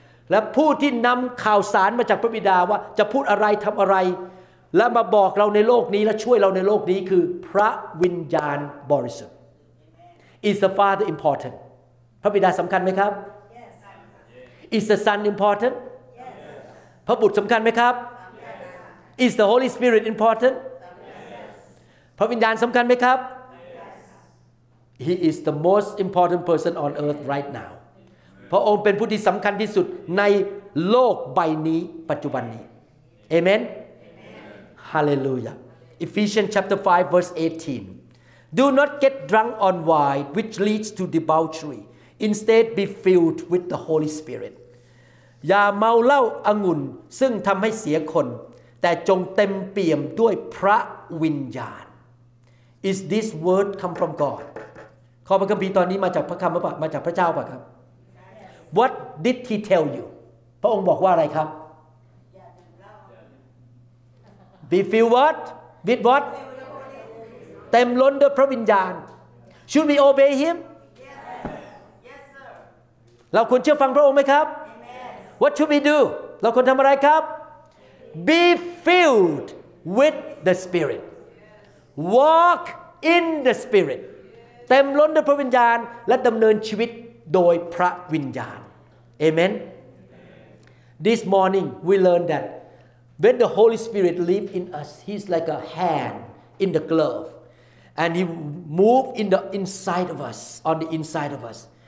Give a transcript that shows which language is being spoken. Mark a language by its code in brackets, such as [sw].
[th] และผู้ที่นำข่าวสารมาจากพระบิดาว่าจะพูดอะไรทำอะไรและมาบอกเราในโลกนี้และช่วยเราในโลกนี้คือพระวิญญาณบริสุทธิ์ [en] Is the Father important? [th] พระบิดาสำคัญไหมครับ [en] Is the Son important? [th] พระบุตรสำคัญไหมครับ [en] Is the Holy Spirit important? Yes. [th] พระวิญญาณสำคัญไหมครับ [en] Yes. He is the most important person on earth right now. [th] พระองค์เป็นผู้ที่สำคัญที่สุดในโลกใบนี้ปัจจุบันนี้ Amen? [en] Amen. Hallelujah. Ephesians chapter 5 verse 18. Do not get drunk on wine which leads to debauchery. Instead be filled with the Holy Spirit. [th] อย่าเมาเหล้าองุ่นซึ่งทำให้เสียคนแต่จงเต็มเปี่ยมด้วยพระวิญญาณ [en] Is this word come from God? [th] ข้อพระคัมภีร์ตอนนี้มาจากพระคำหรือเปล่ามาจากพระเจ้าเปล่าครับ [en] What did he tell you? [th] พระองค์บอกว่าอะไรครับ [en] Be filled what? With what? [th] เต็มล้นด้วยพระวิญญาณ [en] Should we obey him? Yes, sir. [th] เราควรเชื่อฟังพระองค์ไหมครับ [en] What should we do? [th] เราควรทำอะไรครับ [en] Be filled with the Spirit. Walk in the Spirit. [th] เต็มล้นด้วยพระวิญญาณและดำเนินชีวิตโดยพระวิญญาณ Amen. [en] This morning we learned that when the Holy Spirit lives in us, He's like a hand in the glove, and He moves in the inside of us, on the inside of us.